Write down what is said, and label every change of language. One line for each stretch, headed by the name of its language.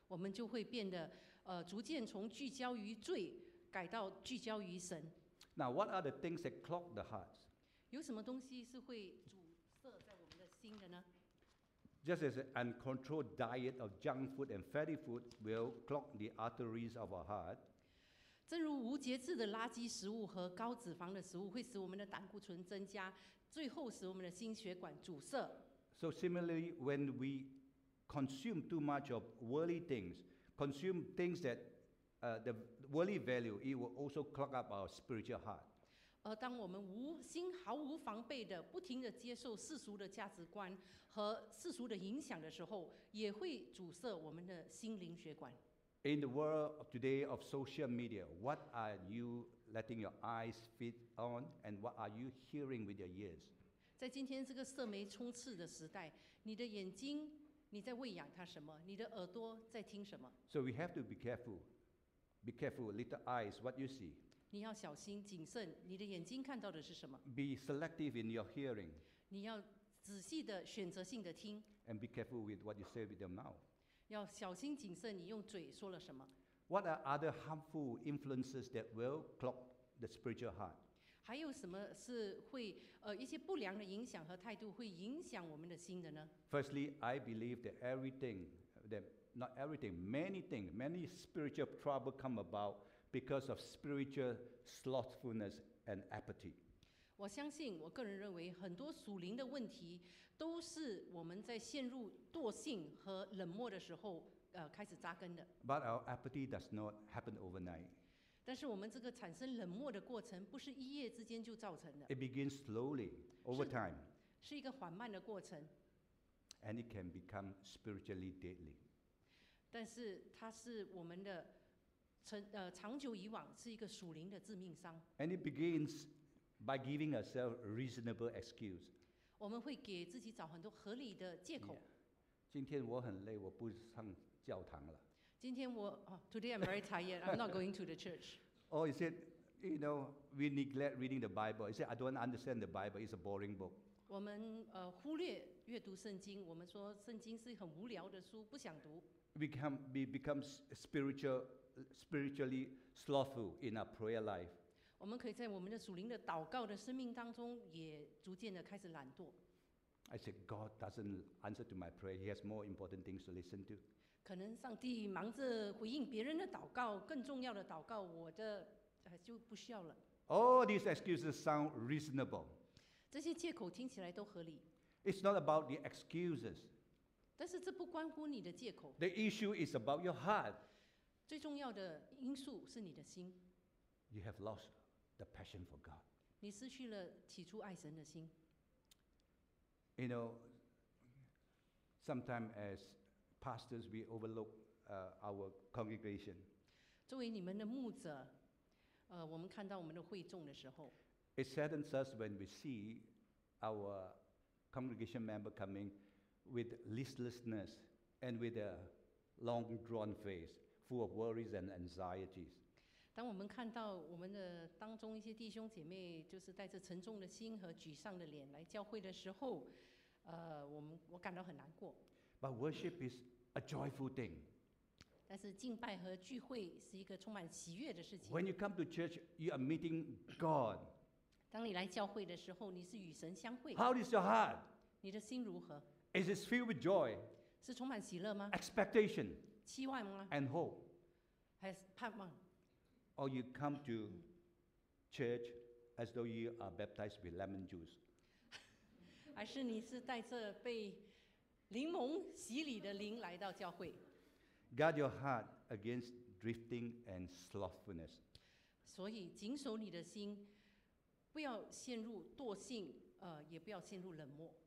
Chinese: 我们就会变得，逐渐从聚焦于罪，改到聚焦于神。
English: Now, what are the things that clog the hearts?
Chinese: 有什么东西是会阻塞在我们的心的呢？
English: Just as an uncontrolled diet of junk food and fatty food will clog the arteries of our heart.
Chinese: 正如无节制的垃圾食物和高脂肪的食物会使我们的胆固醇增加，最后使我们的心血管阻塞。
English: So similarly, when we consume too much of worldly things, consume things that the worldly value, it will also clog up our spiritual heart.
Chinese: 当我们无心、毫无防备的不停的接受世俗的价值观和世俗的影响的时候，也会阻塞我们的心灵血管。
English: In the world of today of social media, what are you letting your eyes feed on, and what are you hearing with your ears?
Chinese: 在今天这个社媒充斥的时代，你的眼睛你在喂养它什么？你的耳朵在听什么
English: ？So we have to be careful. Be careful, little eyes, what you see.
Chinese: 你要小心谨慎，你的眼睛看到的是什么
English: ？Be selective in your hearing.
Chinese: 你要仔细的选择性的听。
English: And be careful with what you say with your mouth.
Chinese: 要小心谨慎，你用嘴说了什么
English: ？What are other harmful influences that will clog the spiritual heart？
Chinese: 还有什么是会一些不良的影响和态度会影响我们的心的呢
English: ？Firstly, I believe that everything, that not everything, many things, many spiritual trouble come about because of spiritual slothfulness and apathy。
Chinese: 我相信，我个人认为，很多属灵的问题都是我们在陷入惰性和冷漠的时候，开始扎根的。
English: But our apathy does not happen overnight.
Chinese: 但是我们这个产生冷漠的过程，不是一夜之间就造成的。
English: It begins slowly over time.
Chinese: 是一个缓慢的过程。
English: And it can become spiritually deadly.
Chinese: 但是它是我们的长久以往是一个属灵的致命伤。
English: And it begins. By giving ourselves reasonable excuse,
Chinese: 我们会给自己找很多合理的借口。今天我很累，我不上教堂了。今天我
English: today I'm very tired. I'm not going to the church. Oh, he said, you know, we neglect reading the Bible. He said, I don't understand the Bible. It's a boring book.
Chinese: 我们忽略阅读圣经。我们说圣经是很无聊的书，不想读。
English: We become spiritually slothful in our prayer life.
Chinese: 我们可以在我们的属灵的祷告的生命当中，也逐渐的开始懒惰。
English: I said God doesn't answer to my prayer. He has more important things to listen to.
Chinese: 可能上帝忙着回应别人的祷告，更重要的祷告，我的就不需要了。
English: All these excuses sound reasonable.
Chinese: 这些借口听起来都合理。
English: It's not about the excuses.
Chinese: 但是这不关乎你的借口。
English: The issue is about your heart.
Chinese: 最重要的因素是你的心。
English: You have lost the passion for God.
Chinese: 你失去了起初爱神的心。
English: You know, sometimes as pastors, we overlook our congregation.
Chinese: 作为你们的牧者，我们看到我们的会众的时候
English: ，It saddens us when we see our congregation member coming with listlessness and with a long-drawn face, full of worries and anxieties.
Chinese: 当我们看到我们的当中一些弟兄姐妹就是带着沉重的心和沮丧的脸来教会的时候，我感到很难过。
English: But worship is a joyful thing.
Chinese: 但是敬拜和聚会是一个充满喜悦的事情。
English: When you come to church, you are meeting God.
Chinese: 当你来教会的时候，你是与神相会。
English: How is your heart?
Chinese: 你的心如何
English: ？Is it filled with joy?
Chinese: 是充满喜乐吗
English: ？Expectation.
Chinese: 期望吗
English: ？And hope.
Chinese: 还是盼望。
English: Or you come to church as though you are baptized with lemon juice.
Chinese: 还是你是带着被柠檬洗礼的灵来到教会。
English: Guard your heart against drifting and slothfulness.
Chinese: 所以谨守你的心，不要陷入惰性，也不要陷入冷漠。